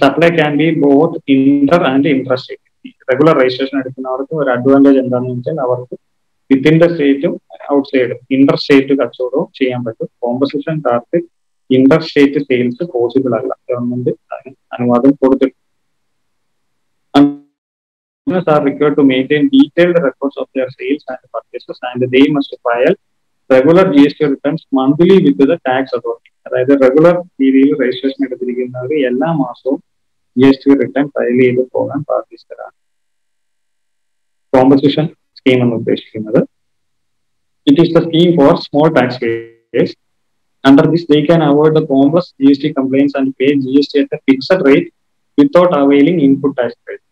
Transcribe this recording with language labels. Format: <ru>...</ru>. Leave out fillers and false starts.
<en>Supply can be both inter and intrastate.</en> <ml>Regular registration എടുക്കുന്നവർക്ക് ഒരു advantage എന്താണെന്ന് വെച്ചാൽ അവർക്ക് വിത്തിൻ ദ സ്റ്റേറ്റും ഔട്ട് സൈഡും ഇന്റർ സ്റ്റേറ്റ് കച്ചവടവും ചെയ്യാൻ പറ്റും. കോമ്പസിഷൻ കാർക്ക് ഇന്റർ സ്റ്റേറ്റ് സെയിൽസ് പോസിബിൾ അല്ല, ഗവൺമെന്റ് അതിന് അനുവാദം കൊടുത്തിട്ടുണ്ട്.</ml> <en>Business are required to maintain detailed records of their sales and purchases, and they must file regular GST returns monthly with the tax authority.</en> <ml>അതായത് regular രീതിയിൽ registration എടുത്തിരിക്കുന്നവർ എല്ലാ മാസവും G S T return file ചെയ്ത് പോകാൻ ബാധ്യസ്ഥരാണ് composition scheme എന്ന് ഉദ്ദേശിക്കുന്നത്.</ml> <en>It is the scheme for small taxpayers. Under this they can avoid the complex G S T compliance and pay G S T at a fixed rate without availing input tax pay.</en>